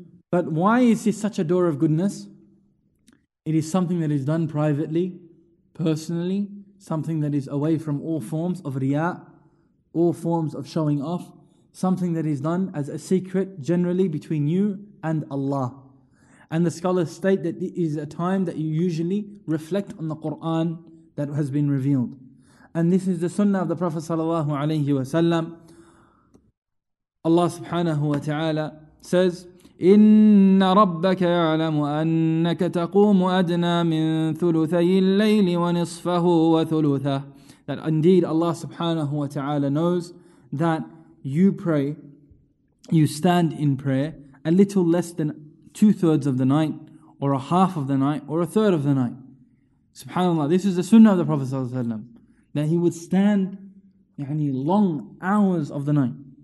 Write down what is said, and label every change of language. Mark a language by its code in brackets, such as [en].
[en] But why is this such a door of goodness? It is something that is done privately, personally, something that is away from all forms of riya', all forms of showing off, something that is done as a secret, generally between you and Allah. And the scholars state that it is a time that you usually reflect on the Qur'an that has been revealed. And this is the sunnah of the Prophet sallallahu alayhi wa sallam. [ar] Allah subhanahu wa ta'ala says, إِنَّ رَبَّكَ يَعْلَمُ أَنَّكَ تَقُومُ أَدْنَى مِن ثُلُثَيِ اللَّيْلِ وَنِصْفَهُ وَثُلُثَهُ. [en] That indeed Allah subhanahu wa ta'ala knows that you pray, you stand in prayer a little less than two-thirds of the night, or a half of the night, or a third of the night. SubhanAllah, this is the sunnah of the Prophet ﷺ, that he would stand long hours of the night.